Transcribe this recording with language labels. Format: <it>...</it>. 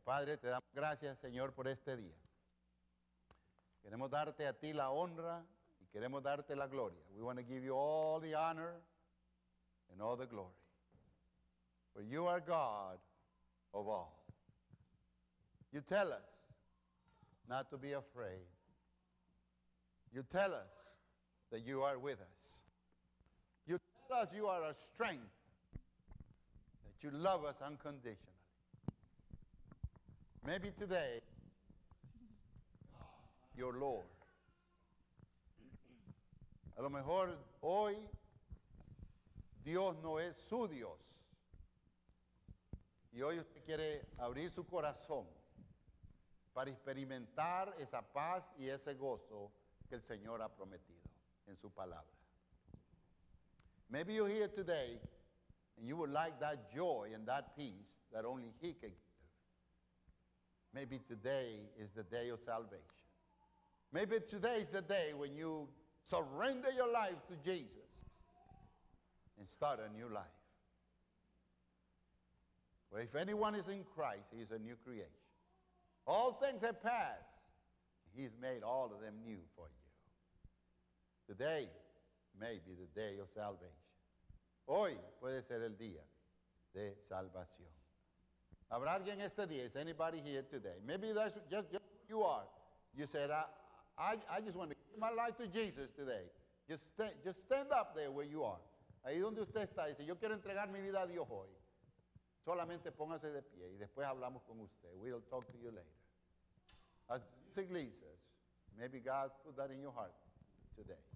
<es>Padre, te damos gracias, Señor, por este día. Queremos darte a ti la honra y queremos darte la gloria.</es> <en>We want to give you all the honor and all the glory. For you are God of all. You tell us not to be afraid. You tell us that you are with us. Us, you are a strength, that you love us unconditionally. Maybe today, your Lord.</en> <es>A lo mejor hoy, Dios no es su Dios. Y hoy usted quiere abrir su corazón para experimentar esa paz y ese gozo que el Señor ha prometido en su palabra.</es> <en>Maybe you're here today and you would like that joy and that peace that only He can give. Maybe today is the day of salvation. Maybe today is the day when you surrender your life to Jesus and start a new life. For if anyone is in Christ, he is a new creation. All things have passed. He's made all of them new for you. Today may be the day of salvation.</en> <es>Hoy puede ser el día de salvación. ¿Habrá alguien este día?</es> <en>Is anybody here today? Maybe that's just who you are. You said, I just want to give my life to Jesus today. Just stand up there where you are.</en> <es>Ahí donde usted está, dice, yo quiero entregar mi vida a Dios hoy. Solamente póngase de pie y después hablamos con usted.</es> <en>We'll talk to you later. As the music says, maybe God put that in your heart today.</en>